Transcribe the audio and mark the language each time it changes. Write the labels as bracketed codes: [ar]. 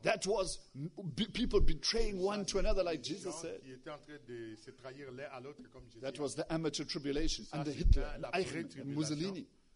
[en] That was people betraying one to another, like Jesus said. [fr] Qui étaient en train de se trahir l'un à l'autre, comme Jésus. [en] That was the amateur tribulation under Hitler, Eichmann, and Mussolini.